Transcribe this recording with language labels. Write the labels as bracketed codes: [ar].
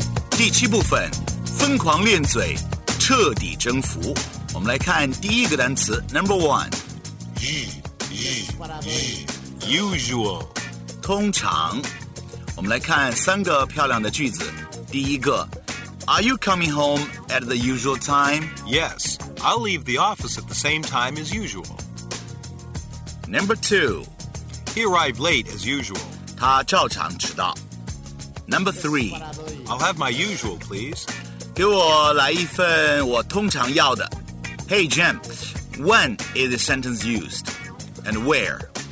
[zh] 第七部分，疯狂练嘴，彻底征服。我们来看第一个单词 ， [en] Number one. Usual. [zh] 通常，我们来看三个漂亮的句子。第一个 [en] ，Are you coming home at the usual time? Yes, I'll leave the office at the same time as usual. Number two, he arrived late as usual. [zh] 他照常迟到。 [en] Number three, I'll have my usual, please. [zh] 给我来一份我通常要的。 [en] Hey, Jim, when is the sentence used, and where?